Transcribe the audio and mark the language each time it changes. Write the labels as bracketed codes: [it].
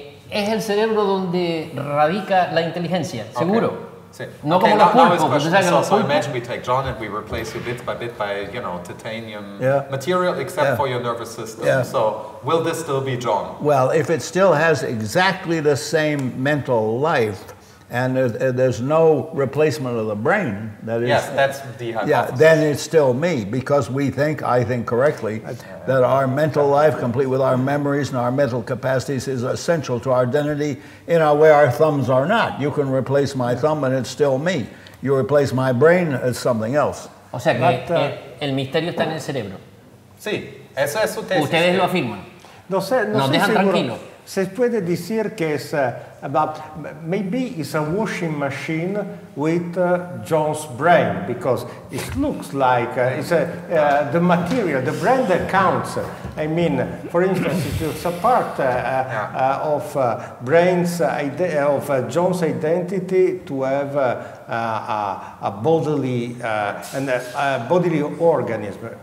[es] Es el cerebro donde radica la inteligencia, seguro. Okay. No como los pulpos. [en] So imagine we take John and we replace you bit by bit by, you know, titanium material, except for your nervous system. Yeah. So will this still be John? Well, if it still has exactly the same mental life and there's no replacement of the brain, that is... Yes, that's the hypothesis. Yeah, then it's still me, because we think, I think correctly, that our mental life, complete with our memories and our mental capacities, is essential to our identity in a way our thumbs are not. You can replace my thumb and it's still me. You replace my brain, it's something else. [es] O sea, que el misterio está en el cerebro. Sí, eso es su tesis. Ustedes lo afirman. No sé, no sé. Nos dejan tranquilo. Se puede decir que es [en] about maybe it's a washing machine with John's brain, because it looks like it's the material, the brain that counts. I mean, for instance, it's a part of brain's idea of John's identity to have a bodily and a bodily organism.